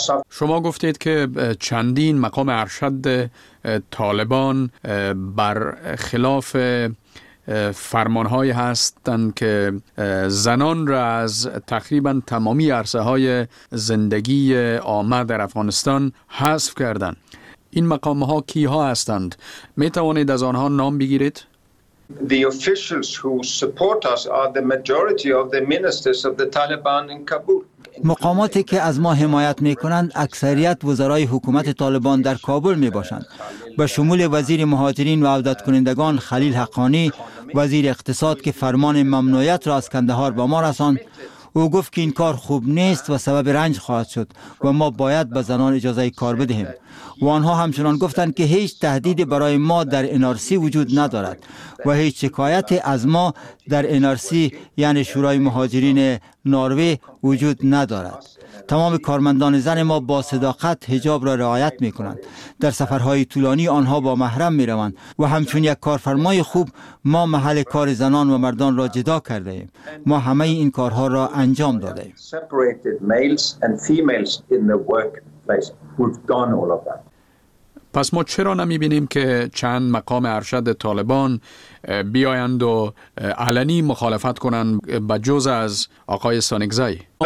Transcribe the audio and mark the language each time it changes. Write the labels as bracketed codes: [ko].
[fa] شما گفتید که چندین مقام ارشد طالبان بر خلاف فرمان هایی هستند که زنان را از تقریبا تمامی عرصه های زندگی عامه در افغانستان حذف کردند. این مقام ها کی ها هستند؟ می توانید از آنها نام بگیرید؟ [en] The officials who support us are the majority of the ministers of the Taliban in Kabul. [fa] مقاماتی که از ما حمایت می کنند اکثریت وزرای حکومت طالبان در کابل می باشند، به شمول وزیر مهاجرین و عودت کنندگان خلیل حقانی، وزیر اقتصاد که فرمان ممنوعیت را از کندهار به ما رساند. او گفت که این کار خوب نیست و سبب رنج خواهد شد و ما باید به زنان اجازه کار بدهیم. و آنها همچنان گفتند که هیچ تهدیدی برای ما در انارسی وجود ندارد و هیچ شکایتی از ما در انارسی، یعنی شورای مهاجرین نروژ، وجود ندارد. تمام کارمندان زن ما با صداقت حجاب را رعایت می کنند. در سفرهای طولانی آنها با محرم می روند و همچون یک کارفرمای خوب ما محل کار زنان و مردان را جدا کرده ایم. ما همه این کارها را انجام داده ایم. [en] Separated males and females in the workplace. We've done all of that. [fa] پس ما چرا نمی بینیم که چند مقام ارشد طالبان بیایند و علنی مخالفت کنند به جز از آقای سانگزای؟